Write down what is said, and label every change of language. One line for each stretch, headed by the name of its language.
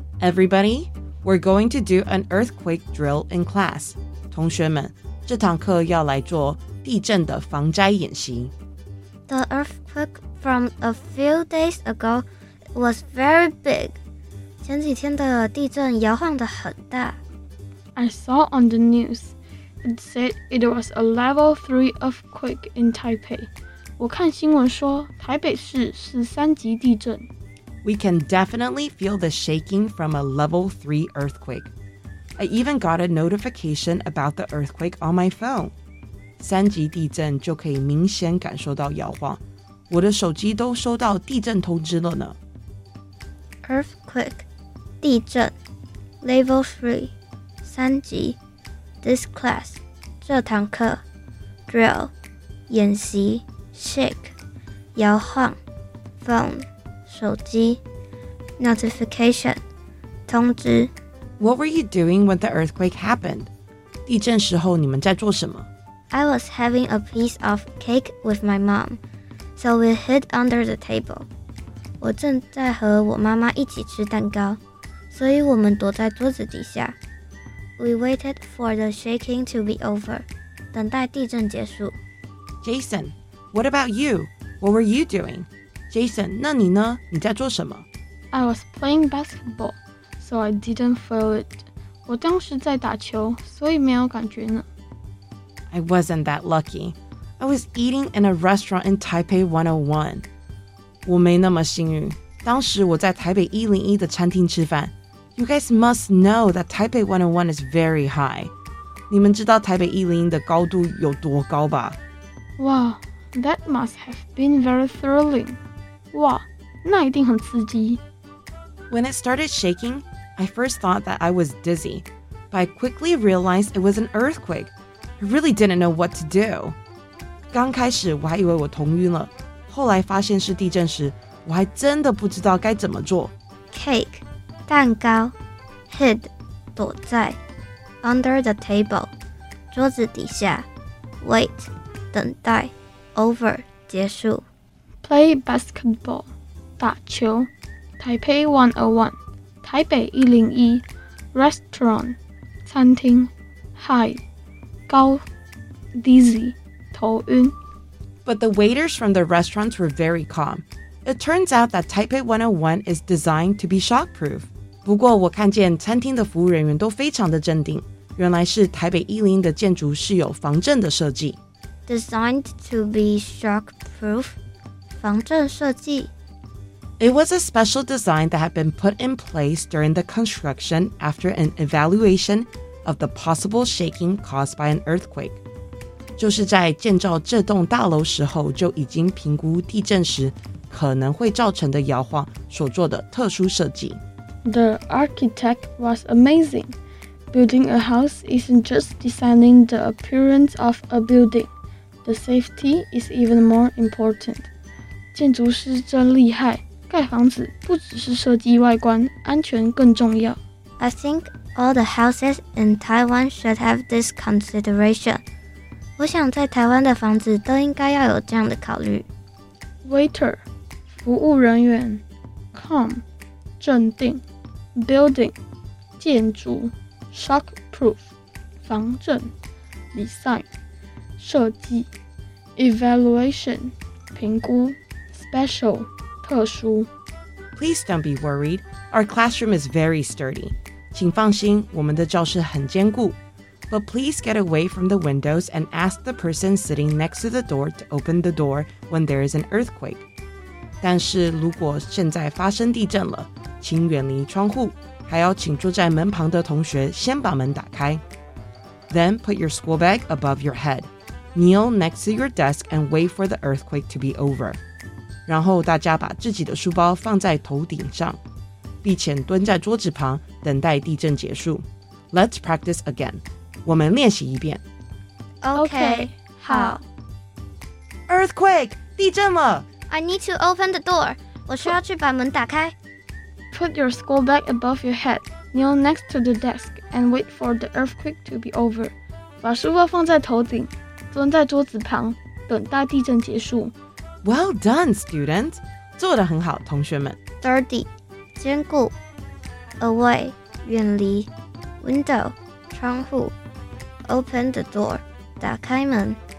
English: Everybody, we're going to do an earthquake drill in class.
Chinese: 同学们，这堂课要来做地震的防灾演习。
English: The earthquake from a few days ago was very big.
Chinese: 前几天的地震摇晃得很大。
English: I saw on the news. It said it was a level 3 earthquake in Taipei.
Chinese: 我看新闻说台北市是三级地震。
English: We can definitely feel the shaking from a level 3 earthquake. I even got a notification about the earthquake on my phone.
Chinese: 三级地震就可以明显感受到摇晃。我的手机都收到地震通知了呢。
English: Earthquake,
Chinese: 地震,
English: level 3,
Chinese: 三级。
English: This class,
Chinese: 这堂课
English: drill,
Chinese: 演习
English: shake,
Chinese: 摇晃
English: phone,
Chinese: 手机
English: notification,
Chinese: 通知
English: What were you doing when the earthquake happened?
Chinese: 地震时候你们在做什么?
English: I was having a piece of cake with my mom, so we hid under the table.
Chinese: 我正在和我妈妈一起吃蛋糕,所以我们躲在桌子底下。
English: We waited for the shaking to be over.
Chinese: 等待地震结束。
English: Jason, what about you? What were you doing? Jason,
Chinese: 那你呢？你在做什么？
English: I was playing basketball, so I didn't feel it.
Chinese: 我当时在打球，所以没有感觉呢。
English: I wasn't that lucky. I was eating in a restaurant in Taipei 101.
Chinese: 我没那么幸运。当时我在台北101的餐厅吃饭。
English: You guys must know that Taipei 101 is very high.
Chinese: 你们知道台北101的高度有多高吧?
English: Wow, that must have been very thrilling.
Chinese: 哇,那一定很刺激。
English: When it started shaking, I first thought that I was dizzy. But I quickly realized it was an earthquake. I really didn't know what to do.
Chinese: 刚开始我还以为我头晕了。后来发现是地震时,我还真的不知道该怎么做。
English: Cake.
Chinese: 蛋糕
English: ，hid，
Chinese: 躲在
English: ，under the table，
Chinese: 桌子底下
English: ，wait，
Chinese: 等待
English: ，over，
Chinese: 结束
English: ，play basketball，
Chinese: 打球
English: ，Taipei 101， 台北101 ，restaurant，
Chinese: 餐厅
English: ，high，
Chinese: 高
English: ，dizzy，
Chinese: 头晕
English: ，But the waiters from the restaurants were very calm. It turns out that Taipei 101 is designed to be shockproof.
Chinese: 不过我看见餐厅的服务人员都非常的镇定，原来是台北101的建筑是有防震的设计。
English: Designed to be shockproof,
Chinese: 防震设计。
English: It was a special design that had been put in place during the construction after an evaluation of the possible shaking caused by an earthquake.
Chinese: 就是在建造这栋大楼时候就已经评估地震时可能会造成的摇晃所做的特殊设计。
English: The architect was amazing. Building a house isn't just designing the appearance of a building. The safety is even more important.
Chinese: 建筑师真厉害，盖房子不只是设计外观，安全更重要。
English: I think all the houses in Taiwan should have this consideration.
Chinese: 我想在台湾的房子都应该要有这样的考虑。
English: Waiter,
Chinese: 服务人员
English: ，calm,
Chinese: 镇定。
English: Building,
Chinese: 建筑
English: shockproof,
Chinese: 防震
English: design,
Chinese: 设计
English: evaluation,
Chinese: 评估
English: special,
Chinese: 特殊
English: Please don't be worried, our classroom is very sturdy.
Chinese: 请放心,我们的教室很坚固
English: But please get away from the windows and ask the person sitting next to the door to open the door when there is an earthquake.
Chinese: 但是如果现在发生地震了请远离窗户，还要请坐在门旁的同学先把门打开。
English: Then put your school bag above your head. Kneel next to your desk and wait for the earthquake to be over.
Chinese: 然后大家把自己的书包放在头顶上，并且蹲在桌子旁等待地震结束。
English: Let's practice again.
Chinese: 我们练习一遍。
English: Okay,
Chinese: 好。
English: Earthquake!
Chinese: 地震了！
English: I need to open the door.
Chinese: 我需要去把门打开。
English: Put your skull back above your head. Kneel next to the desk and wait for the earthquake to be over.
Chinese: 把书包放在头顶，蹲在桌子旁，等待地震结束。
English: Well done, student.
Chinese: 做得很好，同学们。
English: Sturdy,
Chinese: 坚固。
English: Away,
Chinese: 远离。
English: Window,
Chinese: 窗户。
English: Open the door,
Chinese: 打开门。